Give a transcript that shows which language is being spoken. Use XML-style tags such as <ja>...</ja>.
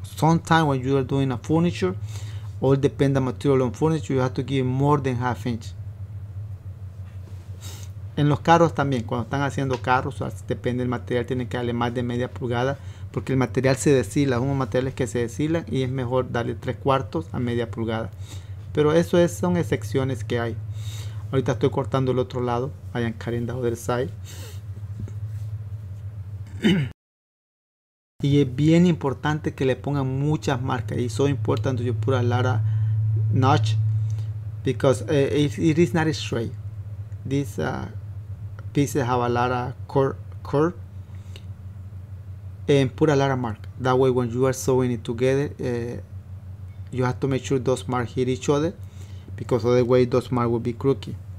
<en>Sometimes when you are doing a furniture, all depend on material on furniture, you have to give more than half inch.</en> <es>En los carros también, cuando están haciendo carros, depende del material, tienen que darle más de media pulgada, porque el material se deshila, unos materiales que se deshilan, y es mejor darle 3/4 a media pulgada. Pero eso es, son excepciones que hay. Ahorita estoy cortando el otro lado,</es> <en>I am cutting the other side.</en> <es>Y es bien importante que le pongan muchas marcas.</es> <en>It's so important that you put a lot of notch, because it is not straight. These pieces have a lot of curve, and put a lot of mark. That way when you are sewing it together, you have to make sure those marks hit each other, because otherwise those marks will be crooked.</en>